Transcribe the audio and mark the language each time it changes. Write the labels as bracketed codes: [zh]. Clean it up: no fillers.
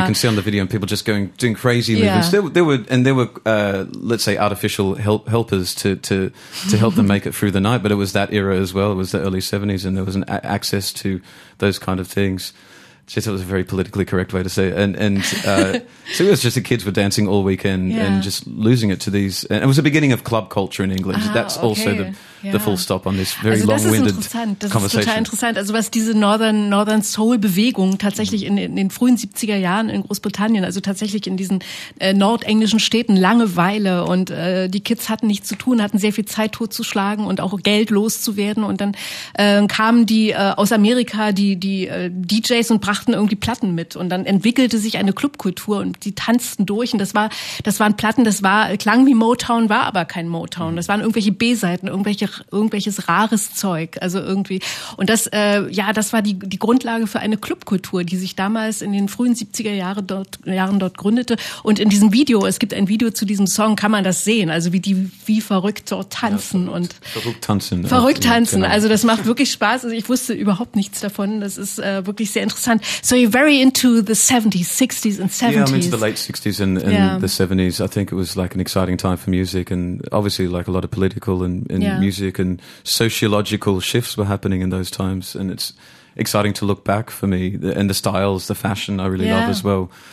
[en] You can see on the video and people just going, doing crazy movements. Yeah. There were let's say, artificial helpers to help them make it through the night, but it was that era as well. It was the early 70s and there was an access to those kind of things. Just it was a very politically correct way to say it. And so it was just the kids were dancing all weekend and just losing it to these. And it was the beginning of club culture in England. That's also the full stop on this very long-winded conversation. [de] Das ist total interessant. Also was diese Northern Soul-Bewegung tatsächlich in den frühen 70er Jahren in Großbritannien, also tatsächlich in diesen nordenglischen Städten, Langeweile und die Kids hatten nichts zu tun, hatten sehr viel Zeit totzuschlagen und auch Geld loszuwerden. Und dann kamen die aus Amerika, die DJs und brachten irgendwie Platten mit und dann entwickelte sich eine Clubkultur und die tanzten durch und das waren Platten, klang wie Motown, war aber kein Motown. Das waren irgendwelche B-Seiten, irgendwelches rares Zeug, also irgendwie. Und das war die Grundlage für eine Clubkultur, die sich damals in den frühen 70er-Jahren dort gründete. Und in diesem Video, es gibt ein Video zu diesem Song, kann man das sehen, also wie verrückt dort tanzen. Ja, verrückt tanzen, genau. Also das macht wirklich Spaß. Also ich wusste überhaupt nichts davon, das ist wirklich sehr interessant. [en] So you're very into the 70s, 60s and 70s. Yeah, I'm into the late 60s and the 70s. I think it was like an exciting time for music and obviously like a lot of political and music and sociological shifts were happening in those times. And it's exciting to look back for me and the styles, the fashion I really love as well.